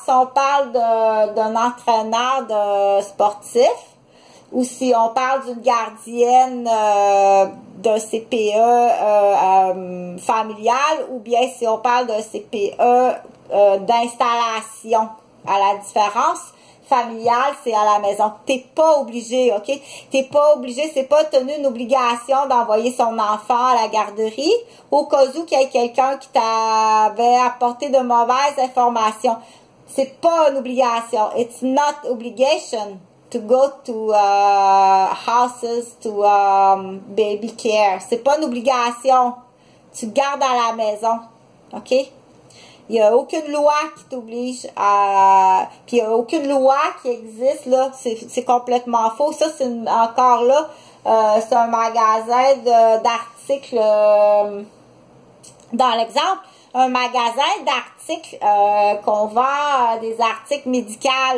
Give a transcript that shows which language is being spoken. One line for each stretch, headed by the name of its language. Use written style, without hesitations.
French: Si on parle d'un entraîneur de sportif, ou si on parle d'une gardienne d'un CPE familial, ou bien si on parle d'un CPE d'installation, à la différence familiale, c'est à la maison. T'es pas obligé, OK? T'es pas obligé, c'est pas tenu une obligation d'envoyer son enfant à la garderie au cas où qu'il y ait quelqu'un qui t'avait apporté de mauvaises informations. C'est pas une obligation.
English: It's not obligation to go to houses to baby care.
French: C'est pas une obligation. Tu gardes à la maison, OK? Il n'y a aucune loi qui t'oblige à. Puis il n'y a aucune loi qui existe, là. C'est complètement faux. Ça, c'est encore là. C'est un magasin d'articles. Dans l'exemple, un magasin d'articles qu'on vend des articles médicaux.